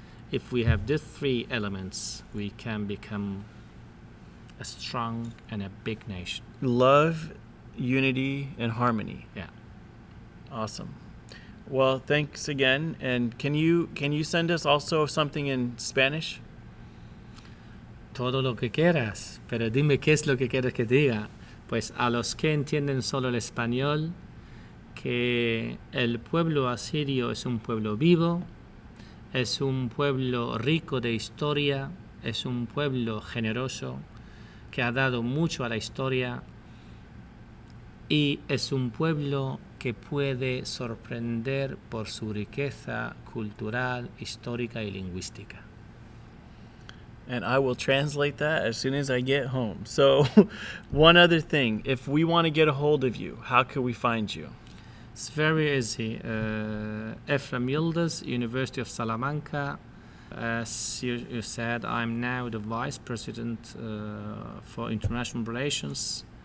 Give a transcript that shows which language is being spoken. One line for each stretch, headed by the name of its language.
English: If we have these three elements, we can become a strong and a big nation. Love, unity, and harmony. Yeah. Awesome. Well, thanks again. And can you send us also something in Spanish?
Spanish: Todo lo que quieras, pero dime qué es lo que quieres que diga. Pues a los que entienden solo el español, que el pueblo asirio es un pueblo vivo, es un pueblo rico de historia, es un pueblo generoso, que ha dado mucho a la historia y es un pueblo que puede sorprender por su riqueza cultural, histórica y lingüística.
English: And I will translate that as soon as I get home. So, one other thing, if we want to get a hold of you, how can we find you? It's very easy. Efrem Yıldız, University of Salamanca. As you said, I'm now the Vice President for International Relations.